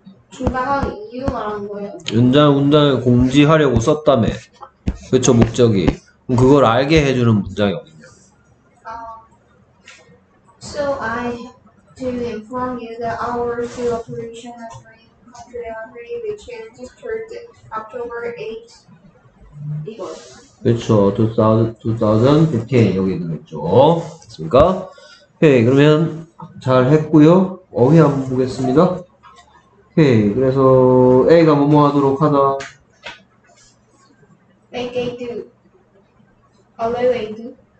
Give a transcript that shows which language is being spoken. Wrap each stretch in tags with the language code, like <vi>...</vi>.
<ko>중단한 이유 말하는 거예요? 연장 운단을 공지하려고 썼다며. 그쵸, 목적이. 그걸 알게 해주는 문장이 어딨냐?</ko> <en>So I have to inform you that our field operation at Green Country Library will change after October 8. 이거.</en> <ko>그쵸, 2015, 여기 있는 거 있죠. 됐습니까? 오케이, 그러면 잘 했고요. 어휘 한번 보겠습니다. 오케이, 그래서 A가 뭐뭐 하도록 하다.</ko> <en>They do. Although they do.</en>